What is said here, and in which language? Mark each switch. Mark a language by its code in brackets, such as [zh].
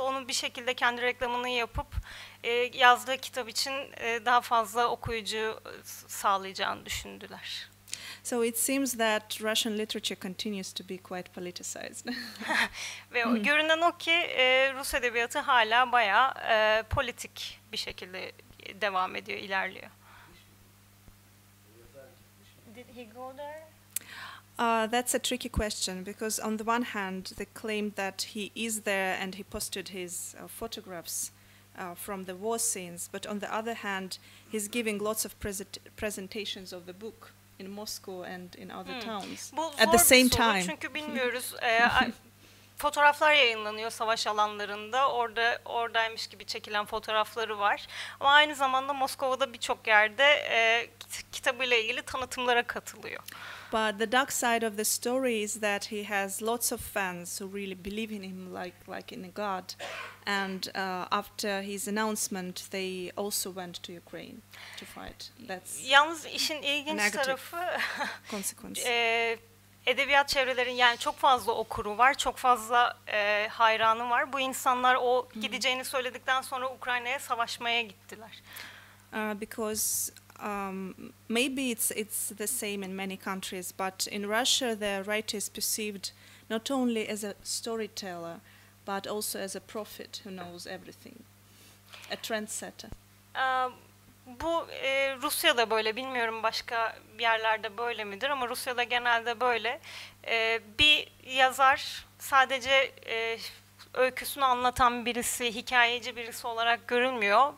[tr] Onu bir şekilde kendi reklamını yapıp yazdığı kitap için daha fazla okuyucu sağlayacağını düşündüler. [en] So it seems that Russian literature continues to be quite politicized. [tr] Ve görünen o ki Rus edebiyatı hala bayağı politik bir şekilde devam ediyor, ilerliyor. [en] Did he go there? That's a tricky question because on the one hand they claim that he is there and he posted his photographs from the war scenes, but on the other hand he's giving lots of presentations of the book in Moscow and in other towns at the same time. [tr] Çünkü bilmiyoruz. fotoğraflar yayınlanıyor savaş alanlarında. Oradaymış gibi çekilen fotoğrafları var. Ama aynı zamanda Moskova'da birçok yerde kitabıyla ilgili tanıtımlara katılıyor. [en] But the dark side of the story is that he has lots of fans who really believe in him like in a god. And after his announcement they also went to Ukraine to fight. That's [tr] yalnız işin ilginç tarafı [en] consequence. [tr] Edebiyat çevrelerin yani çok fazla okuru var, çok fazla hayranı var. Bu insanlar o gideceğini söyledikten sonra Ukrayna'ya savaşmaya gittiler. [en] Because maybe it's the same in many countries, but in Russia the writer is perceived not only as a storyteller, but also as a prophet who knows everything. A trendsetter. [tr] Bu Rusya'da böyle, bilmiyorum başka yerlerde böyle midir ama Rusya'da genelde böyle. Bir yazar sadece öyküsünü anlatan birisi, hikayeci birisi olarak görülmüyor.